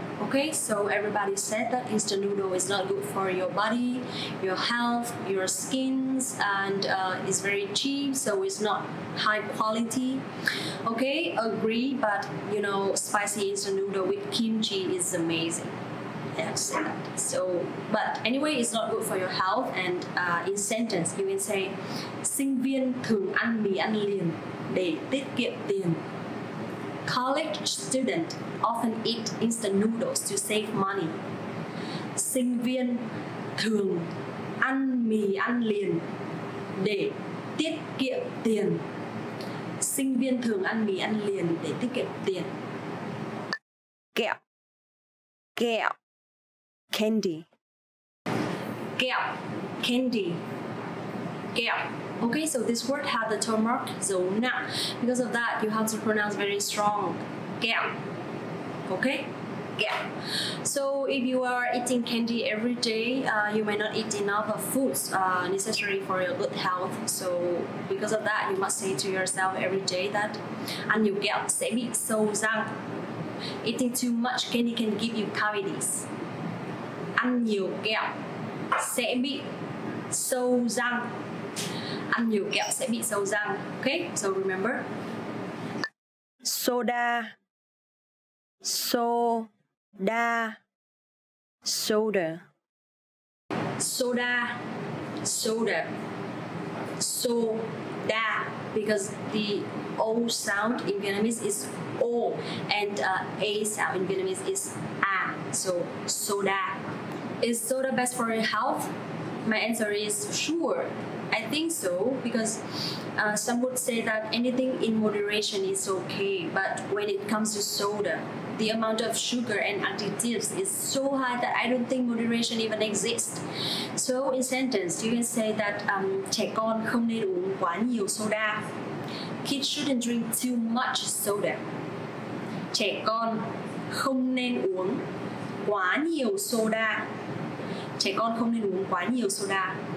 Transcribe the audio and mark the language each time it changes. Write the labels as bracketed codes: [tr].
[en] Okay, so everybody said that instant noodle is not good for your body, your health, your skins, and it's very cheap, so it's not high quality. Okay, agree, but you know, spicy instant noodle with kimchi is amazing. I have to say that. So, but anyway, it's not good for your health. And in sentence, you can say, [vi] sinh viên thường ăn mì ăn liền để tiết kiệm tiền. [en] College student often eat instant noodles to save money. [vi] Sinh viên thường ăn mì ăn liền để tiết kiệm tiền. Sinh viên thường ăn mì ăn liền để tiết kiệm tiền. Kẹo. Kẹo. Candy. Kẹo. Candy. Kẹo. [en] Okay, so this word has the tone mark zona. Because of that, you have to pronounce very strong. Kẹo. Okay? Kẹo. So if you are eating candy every day, you may not eat enough of foods necessary for your good health. So because of that, you must say to yourself every day that [vi] ăn nhiều kẹo sẽ bị sâu răng. [en] Eating too much candy can give you cavities. [vi] Ăn nhiều kẹo sẽ bị sâu răng. Ăn nhiều kẹo sẽ bị sâu răng. [en] Okay, so remember. [vi] Soda. Soda. Soda. Soda. Soda. Soda. [en] Because the O sound in Vietnamese is O and A sound in Vietnamese is A. So soda. Is soda best for your health? My answer is sure. I think so, because some would say that anything in moderation is okay, but when it comes to soda, the amount of sugar and additives is so high that I don't think moderation even exists. So in sentence, you can say that [vi] trẻ con không nên uống quá nhiều soda. [en] Kids shouldn't drink too much soda. [vi] Trẻ con không nên uống quá nhiều soda. Trẻ con không nên uống quá nhiều soda.